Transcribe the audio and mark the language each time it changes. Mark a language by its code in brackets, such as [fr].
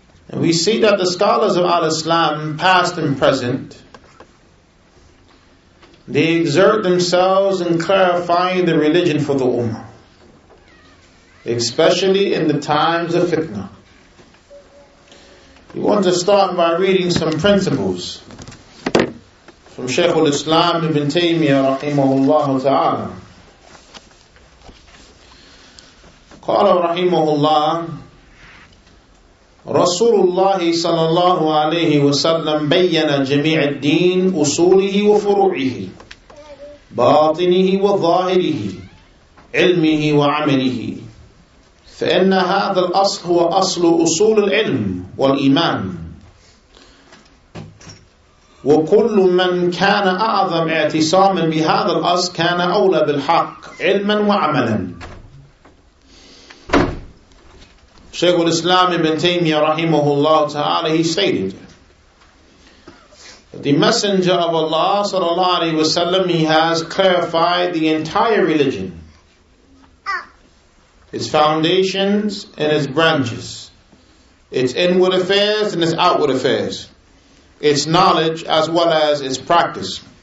[en] And we see that the scholars of Al-Islam, past and present, they exert themselves in clarifying the religion for the Ummah, especially in the times of fitna. We want to start by reading some principles from Shaykh al-Islam Ibn Taymiyyah rahimahullah ta'ala. [ar] Qala rahimahullah, Rasulullah sallallahu alayhi wa sallam bayyana jami' al-deen usulihi wa furu'ihi باطنه وظاهره علمه وعمله فإن هذا الأصل هو أصل أصول العلم والإيمان وكل من كان أعظم اعتصاما بهذا الأصل كان أولى بالحق علما وعملا. شيخ الإسلام ابن تيمية رحمه الله تعالى [en] he stated, the Messenger of Allah sallallahu alayhi wa sallam, he has clarified the entire religion, its foundations and its branches, its inward affairs and its outward affairs, its knowledge as well as its practice.